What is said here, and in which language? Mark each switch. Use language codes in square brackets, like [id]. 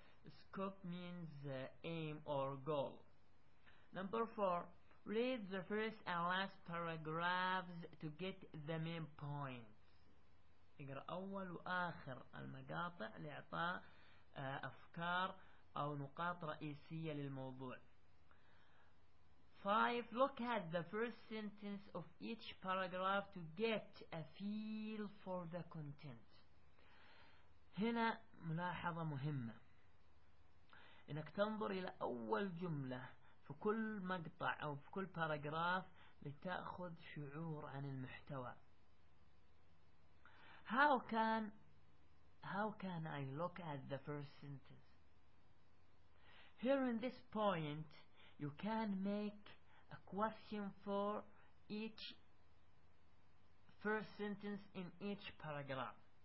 [en] Scope means aim or goal. Number 4, read the first and last paragraphs to get the main points. [ar] اقرا اول واخر المقاطع لاعطاء افكار او نقاط رئيسيه للموضوع. [en] 5, look at the first sentence of each paragraph to get a feel for the content. [ar] هنا ملاحظه مهمه, انك تنظر الى اول جمله في كل مقطع او في كل paragraph لتاخذ شعور عن المحتوى. [en] How can I look at the first sentence? Here in this point, you can make a question for each first sentence in each paragraph.